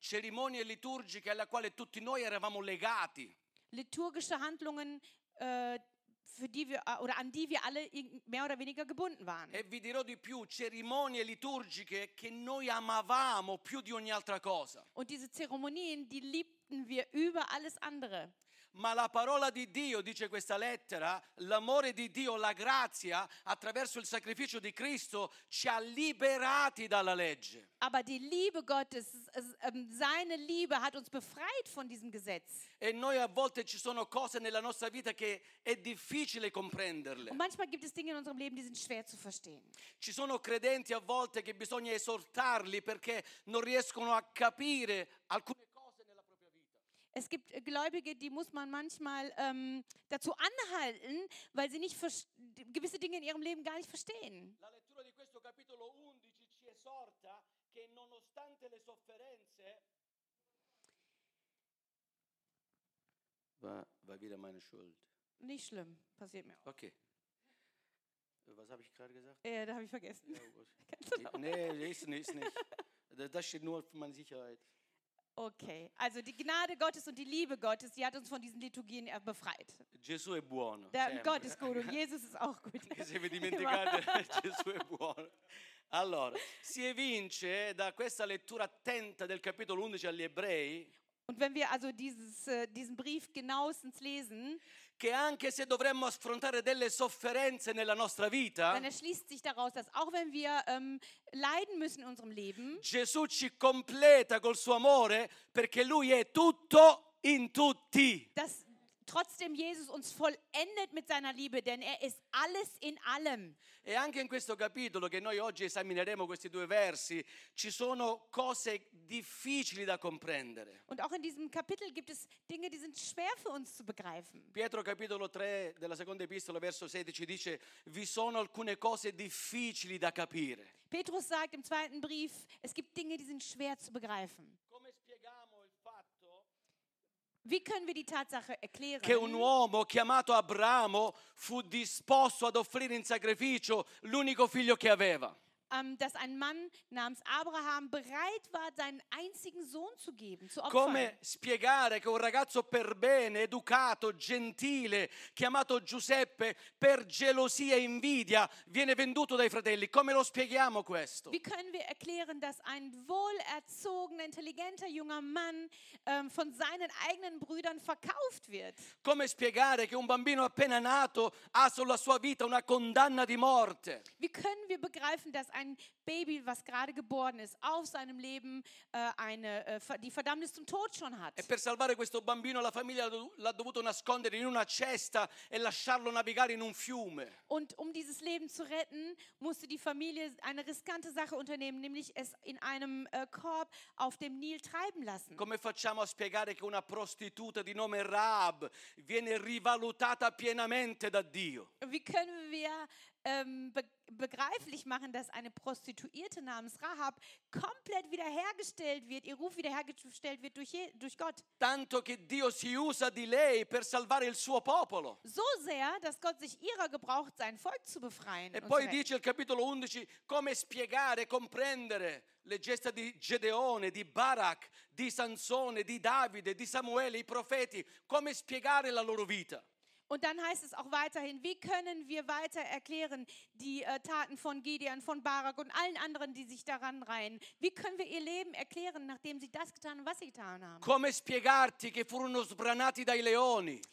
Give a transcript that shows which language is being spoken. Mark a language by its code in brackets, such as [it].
[it] Cerimonie liturgiche alla quale tutti noi eravamo legati. [de] Liturgische Handlungen, für die wir, oder an die wir alle mehr oder weniger gebunden waren. [it] E vi dirò di più, cerimonie liturgiche che noi amavamo più di ogni altra cosa. [de] Und diese Zeremonien, die liebten wir über alles andere. [it] Ma la parola di Dio, dice questa lettera, l'amore di Dio, la grazia, attraverso il sacrificio di Cristo, ci ha liberati dalla legge. [de] Aber die Liebe Gottes, seine Liebe hat uns befreit von diesem Gesetz. [it] E noi a volte ci sono cose nella nostra vita che è difficile comprenderle. [de] Und manchmal gibt es Dinge in unserem Leben, die sind schwer zu verstehen. [it] Ci sono credenti a volte che bisogna esortarli perché non riescono a capire alcune cose. [de] Es gibt Gläubige, die muss man manchmal dazu anhalten, weil sie nicht gewisse Dinge in ihrem Leben gar nicht verstehen. [it] La lettura di questo capitolo 11 ci esorta che nonostante le sofferenze. [de] War wieder meine Schuld. Nicht schlimm, passiert mir auch. Okay. Was habe ich gerade gesagt? Ja, da habe ich vergessen. Nee, ist nicht. Das steht nur für meine Sicherheit. Okay, also die Gnade Gottes und die Liebe Gottes, die hat uns von diesen Liturgien befreit. [it] Gesù è buono. [de] Gott ist gut und Jesus ist auch gut. [it] Se vi dimenticate, Gesù è buono. Allora, si evince da questa lettura attenta del capitolo 11 agli Ebrei. [de] Und wenn wir also diesen Brief genauestens lesen, [it] che anche se dovremmo affrontare delle sofferenze nella nostra vita, [de] dann erschließt sich daraus, dass auch wenn wir leiden müssen in unserem Leben, [it] Gesù ci completa col suo amore, perché lui è tutto in tutti. [de] Dass trotzdem Jesus uns vollendet mit seiner Liebe, denn er ist alles in allem. [it] E anche in questo capitolo che noi oggi esamineremo, questi due versi, ci sono cose difficili da comprendere. [de] Und auch in diesem Kapitel gibt es Dinge, die sind schwer für uns zu begreifen. [it] Pietro capitolo 3 della seconda epistola verso 16 dice: vi sono alcune cose difficili da capire. [de] Petrus sagt im zweiten Brief, es gibt Dinge, die sind schwer zu begreifen. [it] Come spiegamo il fatto? [de] Wie können wir die Tatsache erklären? [it] Che un uomo chiamato Abramo fu disposto ad offrire in sacrificio l'unico figlio che aveva. [de] dass ein Mann namens Abraham bereit war, seinen einzigen Sohn zu geben, zu opfern. [it] Come spiegare che un ragazzo per bene, educato, gentile, chiamato Giuseppe, per gelosia e invidia, viene venduto dai fratelli? Come lo spieghiamo questo? [de] Wie können wir erklären, dass ein wohlerzogener, intelligenter junger Mann von seinen eigenen Brüdern verkauft wird? [it] Come spiegare che un bambino appena nato ha sulla sua vita una condanna di morte? [de] Wie können wir begreifen, dass ein Baby, was gerade geboren ist, auf seinem Leben die Verdammnis zum Tod schon hat? [it] E per salvare questo bambino la famiglia l'ha dovuto nascondere in una cesta e lasciarlo navigare in un fiume. [de] Und um dieses Leben zu retten, musste die Familie eine riskante Sache unternehmen, nämlich es in einem Korb auf dem Nil treiben lassen. [it] Come facciamo a spiegare che una prostituta di nome Rahab viene rivalutata pienamente da Dio? [de] Wie können wir begreiflich machen, dass eine Prostituierte namens Rahab komplett wiederhergestellt wird, ihr Ruf wiederhergestellt wird durch Gott. [it] Tanto che Dio si usa di lei per salvare il suo popolo. [de] So sehr, dass Gott sich ihrer gebraucht, sein Volk zu befreien. [it] E poi dice il capitolo 11, come spiegare, comprendere le gesta di Gedeone, di Barak, di Sansone, di Davide, di Samuele, i profeti, come spiegare la loro vita? [de] Und dann heißt es auch weiterhin, wie können wir weiter erklären die Taten von Gideon, von Barak und allen anderen, die sich daran reihen? Wie können wir ihr Leben erklären, nachdem sie das getan haben, was sie getan haben? [it] Come spiegarti che furono sbranati dai leoni?